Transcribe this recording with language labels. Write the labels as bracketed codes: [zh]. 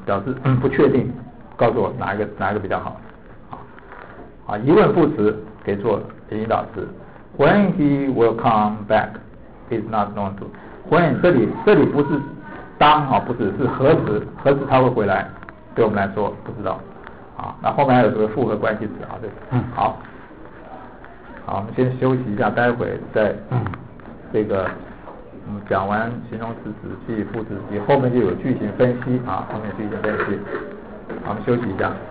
[zh] 表示不确定，告诉我哪一个比较好啊，疑问副词给做引导词。 [en] When he will come back is not known to. [zh] When 这里不是当啊，不是，是何时，何时他会回来，对我们来说不知道。啊，那后面还有什么复合关系词啊？对，嗯，好，好，我们先休息一下，待会再这个我们讲完形容词子句、副词子句，后面就有句型分析啊，后面句型分析。好，我们休息一下。